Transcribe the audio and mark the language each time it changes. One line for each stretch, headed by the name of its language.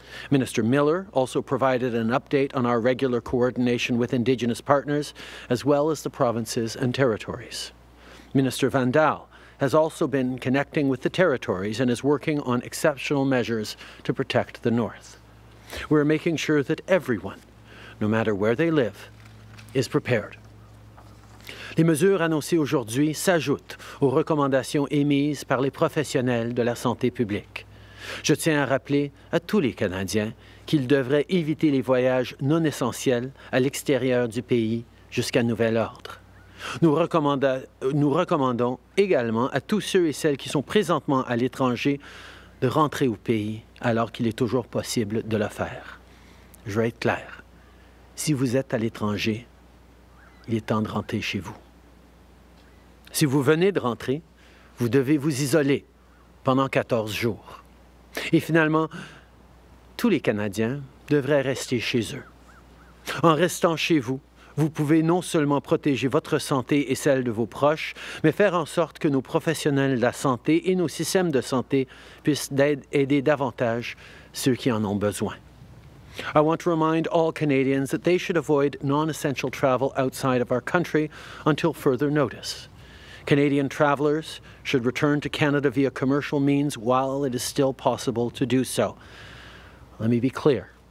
English: Minister Miller also provided an update on our regular coordination with Indigenous partners, as well as the provinces and territories. Minister Vandal has also been connecting with the territories and is working on exceptional measures to protect the North. We're making sure that everyone, no matter where they live, is prepared.
French: Les mesures annoncées aujourd'hui s'ajoutent aux recommandations émises par les professionnels de la santé publique. Je tiens à rappeler à tous les Canadiens qu'ils devraient éviter les voyages non essentiels à l'extérieur du pays jusqu'à nouvel ordre. Nous recommandons également à tous ceux et celles qui sont présentement à l'étranger de rentrer au pays alors qu'il est toujours possible de le faire. Je vais être clair. Si Si vous êtes à l'étranger, il est temps de rentrer chez vous. Si vous venez de rentrer, vous devez vous isoler pendant 14 jours. Et finalement, tous les Canadiens devraient rester chez eux. En restant chez vous, vous pouvez non seulement protéger votre santé et celle de vos proches, mais faire en sorte que nos professionnels de la santé et nos systèmes de santé puissent aider davantage ceux qui en ont besoin.
English: I want to remind all Canadians that they should avoid non-essential travel outside of our country until further notice. Canadian travelers should return to Canada via commercial means while it is still possible to do so. Let me be clear.